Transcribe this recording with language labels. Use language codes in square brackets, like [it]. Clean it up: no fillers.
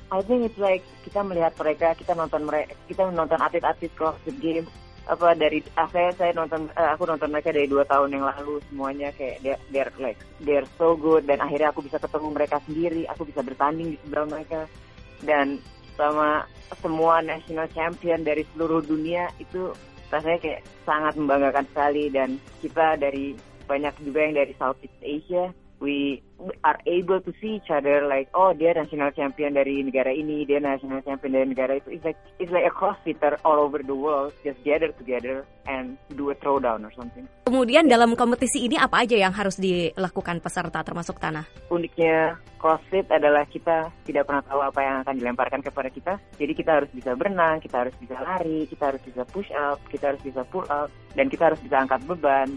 [en] I think it's like [id] kita melihat mereka, kita nonton atlet-atlet CrossFit Games apa dari aku nonton mereka dari 2 tahun yang lalu, semuanya kayak [en] they're so good, [id] dan akhirnya aku bisa ketemu mereka sendiri, aku bisa bertanding di sebelah mereka, dan sama semua national champion dari seluruh dunia, itu rasanya kayak sangat membanggakan sekali. Dan kita dari banyak juga yang dari Southeast Asia, [en] we are able to see each other, [id] like, oh, dia national champion dari negara ini, dia national champion dari negara itu. [en] It's like a crossfitter all over the world just gather together and do a throwdown or something. [id] Kemudian dalam kompetisi ini apa aja yang harus dilakukan peserta termasuk Tana? Uniknya CrossFit adalah kita tidak pernah tahu apa yang akan dilemparkan kepada kita. Jadi kita harus bisa berenang, kita harus bisa lari, kita harus bisa push up, kita harus bisa pull up, dan kita harus bisa angkat beban.